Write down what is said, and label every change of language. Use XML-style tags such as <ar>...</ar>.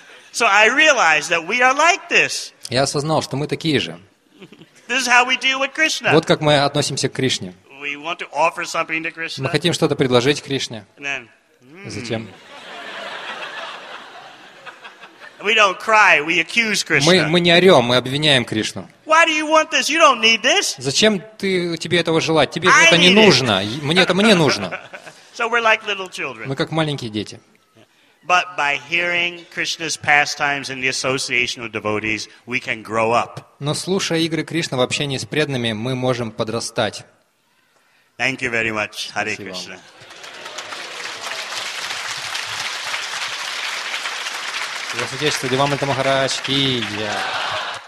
<en>So I realized that we are like this.</en> <ru>Я осознал, что мы такие же.</ru> <en>This is how we deal with Krishna.</en> <ru>Вот как мы относимся к Кришне.</ru> <en>We want to offer something to Krishna.</en> <ru>Мы хотим что-то предложить Кришне.</ru> <en>And then,</en> <ru>затем.</ru> <en>We don't cry, we accuse Krishna.</en> <ru>Мы не орем, мы обвиняем Кришну.</ru> <en>Why do you want this? You don't need this.</en> <ru>Зачем тебе этого желать? Тебе это не нужно. Мне нужно.</ru> <en>So we're like little children.</en> <ru>Мы как маленькие дети.</ru> <en>But by hearing Krishna's pastimes and the association of devotees, we can grow up.</en> <ru>Но слушая игры Кришны в общении с преданными, мы можем подрастать.</ru> <en>Thank you very much. Hare Krishna.</en> <ru>Я сочувствую вам, это Махарадж Ки.</ru>